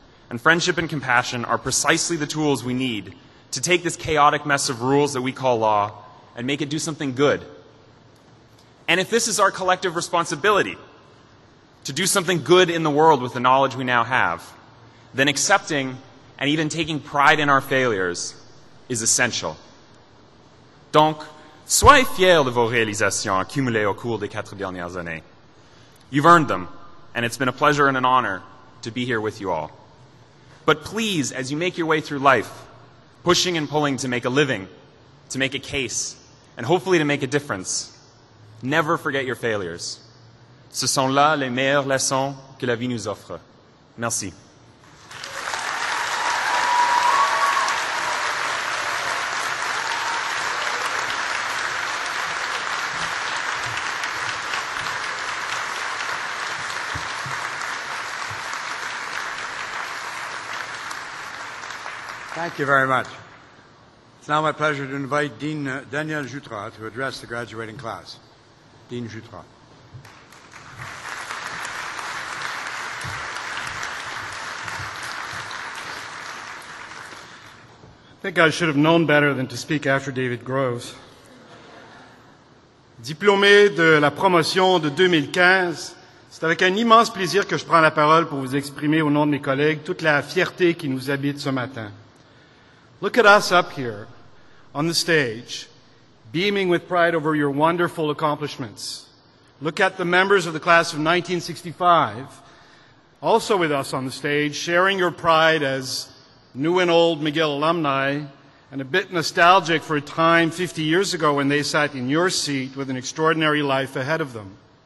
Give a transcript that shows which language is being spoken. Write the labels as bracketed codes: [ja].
[en] And friendship and compassion are precisely the tools we need to take this chaotic mess of rules that we call law and make it do something good. And if this is our collective responsibility, to do something good in the world with the knowledge we now have, then accepting and even taking pride in our failures is essential. [fr] Donc, soyez fiers de vos réalisations accumulées au cours des quatre dernières années. [en] You've earned them, and it's been a pleasure and an honor to be here with you all. But please, as you make your way through life, pushing and pulling to make a living, to make a case, and hopefully to make a difference, never forget your failures. [fr] Ce sont là les meilleures leçons que la vie nous offre. Merci. [en] Thank you very much. It's now my pleasure to invite Dean Daniel Jutra to address the graduating class. Dean Jutra. I think I should have known better than to speak after David Groves. [fr] Diplômé de la promotion de 2015, c'est avec un immense plaisir que je prends la parole pour vous exprimer au nom de mes collègues toute la fierté qui nous habite ce matin. [en] Look at us up here on the stage, beaming with pride over your wonderful accomplishments. Look at the members of the class of 1965, also with us on the stage, sharing your pride as new and old McGill alumni, and a bit nostalgic for a time 50 years ago when they sat in your seat with an extraordinary life ahead of them.